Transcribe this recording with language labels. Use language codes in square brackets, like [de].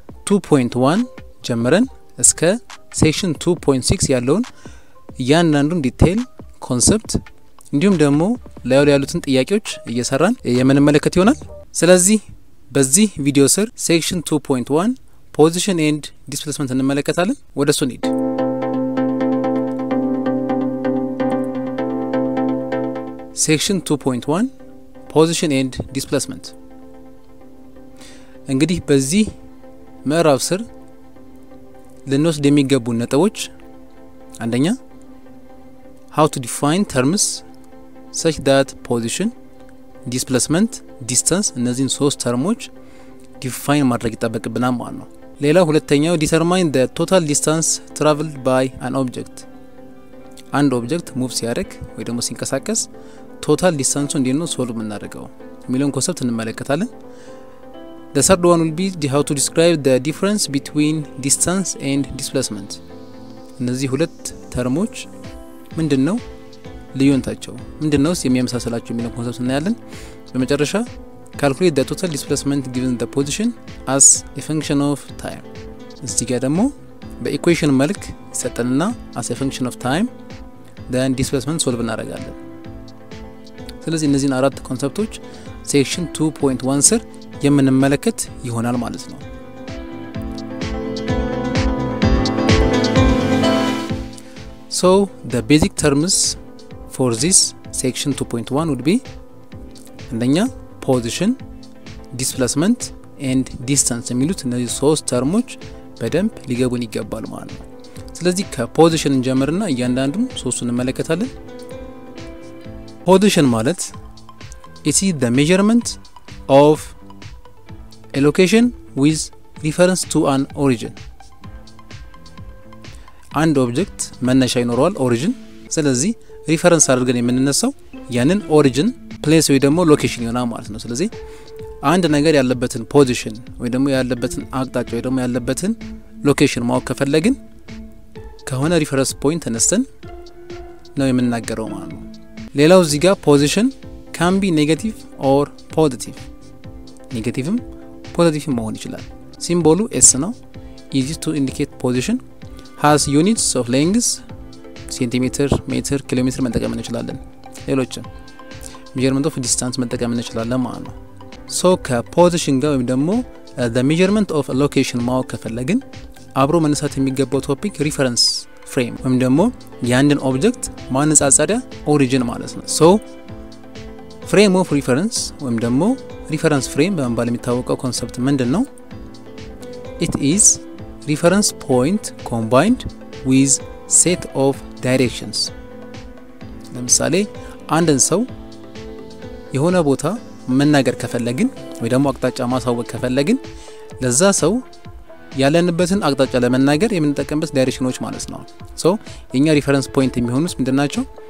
[am] 2.1 ጀምረን እስከ ሴክሽን 2.6 ያለውን ያንዳንዱን ዲቴል ኮንሰፕት እንዲሁም ደግሞ ለያሉ ያሉትን ጥያቄዎች እየሰራን የምንመለከት ይሆናል። ስለዚህ በዚህ ቪዲዮ ስር ሴክሽን 2.1 ፖዚሽን ኤንድ ዲስፕሌስመንት እንመለከታለን። ወደሱ እንሂድ። [en] Section 2.1 Position and Displacement. [am] እንግዲህ በዚህ ምዕራፍ ስር ለነሱ የሚገቡ ነጥቦች አንደኛ [en] How to define terms such that position, displacement, distance [am] እነዚህን ሶስት ተርሞች define ማድረግ ይጠበቅብናል ማለት ነው። ሌላ ሁለተኛው [en] determine the total distance traveled by an object. አንድ object moves ያደርግ ወይ ደግሞ ሲንቀሳቀስ total distance [am] እንዴት ነው ሶልቭ እናደርገው ሚሊዮን ኮንሰፕት እንመለከታለን። [en] the third one will be the how to describe the difference between distance and displacement. [am] እነዚህ ሁለት ተርሞች ምንድነው ልዩነታቸው ምንድነውስ የሚያመሳስላቸው ሚሊዮን ኮንሰፕት እናያለን። በመጨረሻ [en] calculate the total displacement given the position as a function of time. [am] እዚህ ጋር ደግሞ በequation መልክ ሰጠንና as a function of time then displacement ሶልቭ እናደርጋለን። ስለዚህ እነዚህን አራት ኮንሰፕቶች ሴክሽን 2.1 ስር የምንመለከት ይሆናል ማለት ነው። [en] So the basic terms for this section 2.1 would be [am] አንደኛ position, displacement and distance የሚሉት እነዚህ ሶስት ተርሞች በደንብ ሊገቡን ይገባል ማለት ነው። ስለዚህ ከposition እንጀምርና እያንዳንዱን ሶስቱን እንመለከታለን። Position ማለት [en] it is the measurement of a location with reference to an origin. And object መነሻ ይኖረዋል origin. [am] ስለዚህ reference አድርገን የምንነሳው ያንን origin place ወይ ደግሞ location ይሆናል ማለት ነው። ስለዚህ አንድ ነገር ያለበትን position ወይ ደግሞ ያለበትን አቅጣጫ ወይ ደግሞ ያለበትን location ማወቅ ከፈለግን ከሆነ reference point ተነስተን ነው የምንናገረው ማለት ነው። ሌላው እዚህ ጋር [en] position can be negative or positive. negativeም positiveም [am] መሆን ይችላል። [en] ሲምቦሉ s ነው easy to indicate position has units of lengths centimeter meter kilometer [am] መጠቀም እንችላለን። ሌሎችን [en] measurement of distance [am] መጠቀም እንችላለን ማለት ነው። so position ጋር ወይም ደግሞ the measurement of a location ማወቅ ከፈለግን አብሮ መነሳት የሚገባው topic reference frame ወይም ደግሞ የአንድን ኦብጀክት ማነጻጸሪያ origin ማለት ነው። so frame of reference ወይም ደግሞ reference frame በመባል የሚታወቀው concept ምንድነው? [en] it is reference point combined with set of directions. [am] ለምሳሌ አንድን ሰው የሆነ ቦታ መናገር ከፈለግን ወይ ደግሞ አቅጣጫ ማሳወቅ ከፈለግን ለዛ ሰው ያለንበትን አቅጣጫ ለመናገር የምንጠቀምበት ዳይሬክሽኖች ማለት ነው። ሶ የኛ ሪፈረንስ ፖይንት የሚሆኑስ ምንድናቸው?